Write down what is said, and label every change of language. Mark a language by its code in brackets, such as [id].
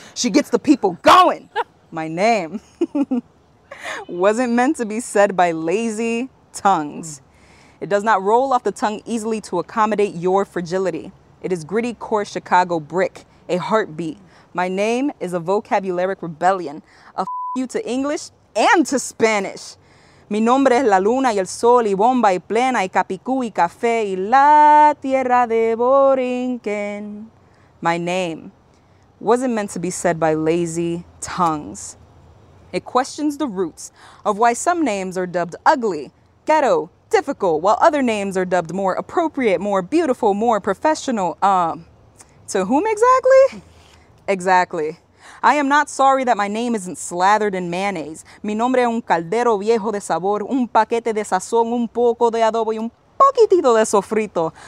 [en] She gets the people going. My name wasn't meant to be said by lazy tongues. It does not roll off the tongue easily to accommodate your fragility. It is gritty core Chicago brick, a heartbeat. My name is a vocabularic rebellion. A f*** you to English and to Spanish. [es] Mi nombre es la luna y el sol y bomba y plena y capicú y café y la tierra de Borinquen. [en] My name wasn't meant to be said by lazy tongues. It questions the roots of why some names are dubbed ugly, ghetto, difficult, while other names are dubbed more appropriate, more beautiful, more professional. To whom exactly? Exactly. I am not sorry that my name isn't slathered in mayonnaise. [es] Mi nombre es un caldero viejo de sabor, un paquete de sazón, un poco de adobo y un poquitito de sofrito.